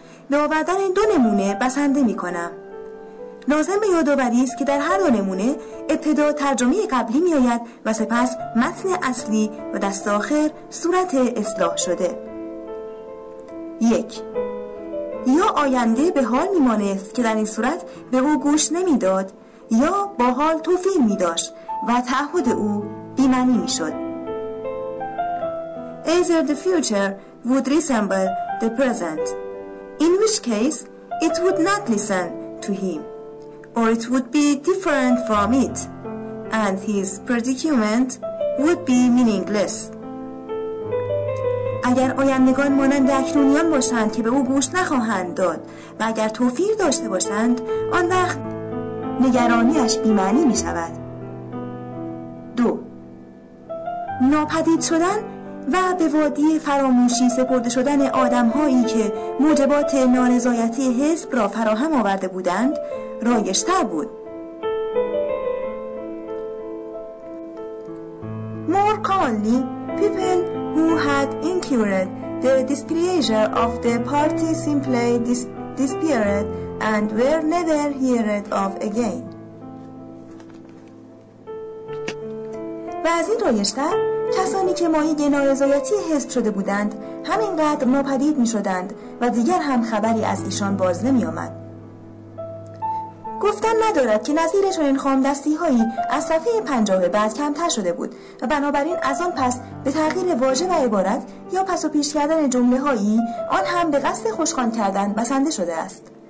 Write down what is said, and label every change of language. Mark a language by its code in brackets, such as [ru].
[fa] به آوردن دو نمونه بسنده می کنم. لازم به یادآوری است که در هر دو نمونه ابتدا ترجمه قبلی می آید و سپس متن اصلی و دست آخر صورت اصلاح شده. 1. یا آینده به حال می مانست که در این صورت به او گوش نمی داد، یا با حال توفیق می داشت و تعهد او بی‌معنی می شد. [en] Either the future would resemble the present, in which case it would not listen to him, or it would be different from it, and his predicament would be meaningless. [fa] اگر آیندگان مانند اکنونیان باشند که به او گوش نخواهند داد و اگر توفیر داشته باشند، آن وقت نگرانیش بیمعنی می شود. 2. ناپدید شدن و به وادی فراموشی سپرده شدن آدم هایی که موجبات نارضایتی حزب را فراهم آورده بودند رایج‌تر بود. More commonly, people who had incurred the displeasure of the party simply disappeared and were never heard of again. و از این رایج‌تر، کسانی که ماهی نارضایتی حزب شده بودند همینقدر ناپدید می شدند و دیگر هم خبری از ایشان باز نمی آمد. گفتن ندارد که نظیر چنین خامدستی هایی از صفحه 50 بعد کمتر شده بود و بنابراین از آن پس به تغییر واژه و عبارت یا پس و پیش کردن جمله هایی آن هم به قصد خوشخوان کردن بسنده شده است.